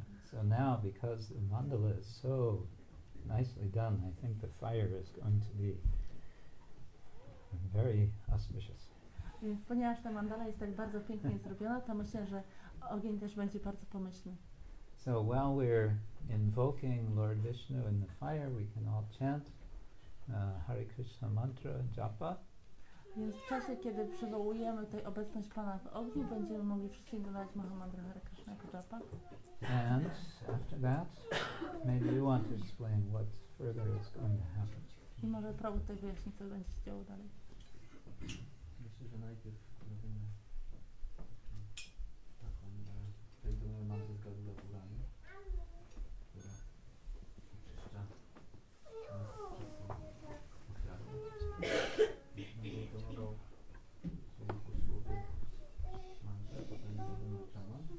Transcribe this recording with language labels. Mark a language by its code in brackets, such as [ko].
[en] So now, because the mandala is so nicely done, I think the fire is going to be very auspicious. [pl] Więc ponieważ ta mandala jest tak bardzo pięknie zrobiona, to myślę, że ogień też będzie bardzo pomyślny. [en] So while we're invoking Lord Vishnu in the fire, we can all chant Hare Krishna mantra, japa. [pl] Więc w czasie, kiedy przywołujemy tutaj obecność Pana w ogniu, będziemy mogli wszyscy dodać Mahamantra Hare Krishna japa. [en] And after that, maybe you want to explain what further is going to happen. [pl] I może Prabhu tutaj wyjaśni, co będzie się działo dalej. Że najpierw robimy taką, tutaj to mamy mantrę z Garuda Purani, która oczyszcza nas przez ofiarę. No bo to mogą sobie posłowie mantrę, potem zrobimy czama.